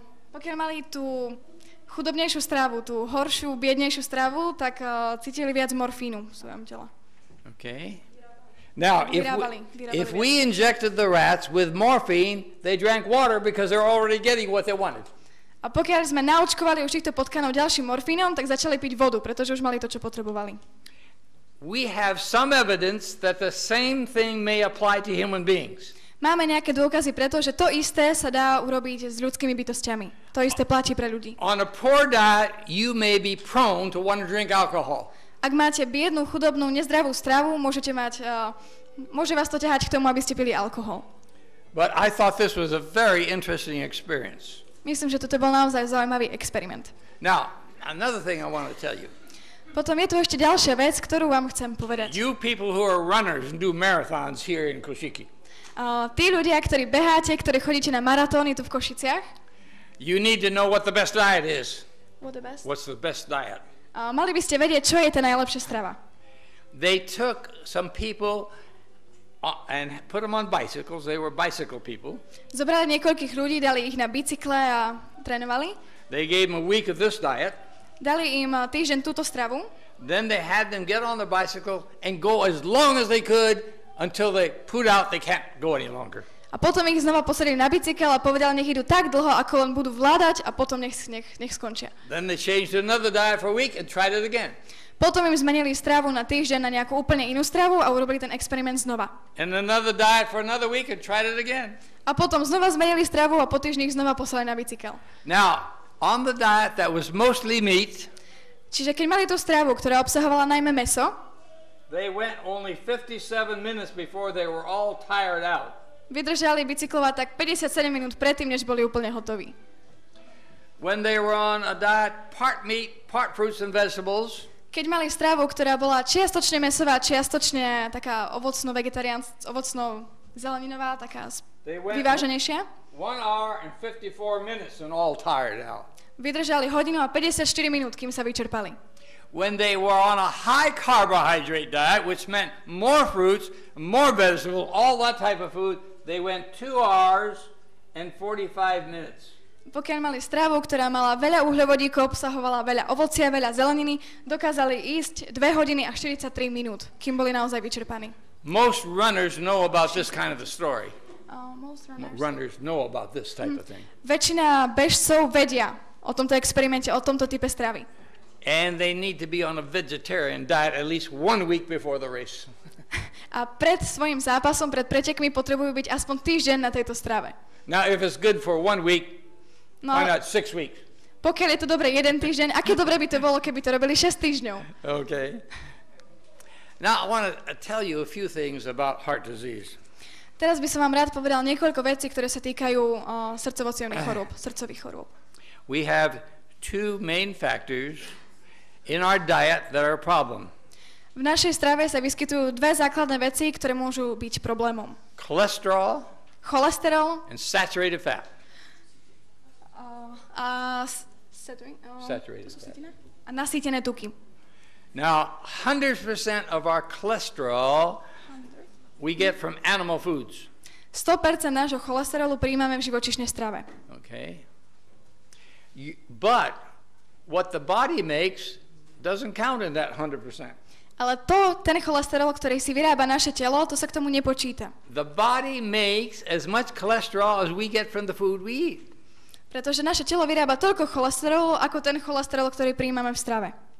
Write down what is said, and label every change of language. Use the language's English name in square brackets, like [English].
[Slovak] Pokiaľ mali tú chudobnejšiu stravu, tú horšiu, biednejšiu stravu, tak cítili viac morfínu v svojom tele. [English] Okay. Now, if we injected the rats with morphine, they drank water because they're already getting what they wanted. [Slovak] A pokiaľ sme naočkovali už týchto potkanov ďalším morfínom, tak začali piť vodu, pretože už mali to, čo potrebovali. [English] We have some evidence that the same thing may apply to human beings. [Slovak] Máme nejaké dôkazy preto, že to isté sa dá urobiť s ľudskými bytostiami. To isté platí pre ľudí. [English] On a poor diet, you may be prone to want to drink alcohol. [Slovak] Ak máte biednu, chudobnú, nezdravú stravu, môžete mať, môže vás to ťahať k tomu, aby ste pili alkohol. [English] But I thought this was a very interesting experience. [Slovak] Myslím, že toto bol naozaj zaujímavý experiment. [English] Now, another thing I want to tell you. [Slovak] Potom je tu ešte ďalšia vec, ktorú vám chcem povedať. [English] You people who are runners and do marathons here in Košiky. [Slovak] Tí ľudia, ktorí beháte, ktorí chodíte na maratóny tu v Košiciach. [English] You need to know what the best diet is. What the best? What's the best diet? [Slovak] Mali by ste vedieť, čo je tá najlepšia strava. [English] They took some people and put them on bicycles. They were bicycle people. [Slovak] Zobrali niekoľkých ľudí, dali ich na bicykle a trénovali. [English] They gave them a week of this diet. [Slovak] Dali im týždeň túto stravu. [English] Then they had them get on the bicycle and go as long as they could until they put out they can't go any longer. [Slovak] A potom ich znova posadili na bicykel a povedali, nech idú tak dlho, ako len budú vládať a potom nech skončia. [English] Then they changed another diet for a week and tried it again. [Slovak] Potom im zmenili stravu na týždeň na nejakú úplne inú stravu a urobili ten experiment znova. [English] And another diet for another week and tried it again. [Slovak] A potom znova zmenili stravu a po týždni ich znova poslali na bicykel. [English] Now, on the diet that was mostly meat, [Slovak] čiže keď mali tú stravu, ktorá obsahovala najmä meso, [English] they went only 57 minutes before they were all tired out. [Slovak] Vydržali bicyklovať tak 57 minút predtým, než boli úplne hotoví. [English] When they were on a diet part meat, part fruits and vegetables, [Slovak] keď mali stravu, ktorá bola čiastočne mesová, čiastočne taká ovocno-zeleninová, taká vyváženejšia. [English] One hour and 54 minutes and all tired out. [Slovak] Vydržali hodinu a 54 minút, kým sa vyčerpali. [English] When they were on a high carbohydrate diet, which meant more fruits, more vegetables, all that type of food, they went 2 hours and 45 minutes. [Slovak] Pokiaľ mali stravu, ktorá mala veľa uhľovodíkov, obsahovala veľa ovocia, veľa zeleniny, dokázali ísť 2 hodiny a 43 minút, kým boli naozaj vyčerpaní. [English] Most runners know about this kind of a story. Most runners know about this type of thing. [Slovak] Väčšina bežcov vedia o tomto experimente, o tomto type stravy. [English] And they need to be on a vegetarian diet at least 1 week before the race. [Slovak] A pred svojim zápasom, pred pretekmi potrebujú byť aspoň týždeň na tejto strave. [English] Now if it's good for 1 week, no, why not 6 weeks? [Slovak] Pokiaľ je to dobre jeden týždeň, aké dobre by to bolo, keby to robili 6 týždňov? [English] Okay. Now I want to tell you a few things about heart disease. [Slovak] Teraz by som vám rád povedal niekoľko vecí, ktoré sa týkajú srdcovo-cievnych chorób, srdcových chorób. [English] We have two main factors in our diet that are a problem. [Slovak] V našej strave sa vyskytujú dve základné veci, ktoré môžu byť problémom. [English] Cholesterol and saturated fat. [Slovak] A nasýtené tuky. [English] Now, 100% of our cholesterol we get from animal foods. [Slovak] 100% nášho cholesterolu prijímame v živočíšnej strave. [English] Okay. But what the body makes doesn't count in that 100%. [Slovak] Ale to, ten cholesterol, ktorý si vyrába naše telo, to sa k tomu nepočíta. [English] The body makes as much cholesterol as we get from the food we eat. [Slovak] Pretože naše telo vyrába toľko cholesterolu, ako ten cholesterol, ktorý prijímame v strave.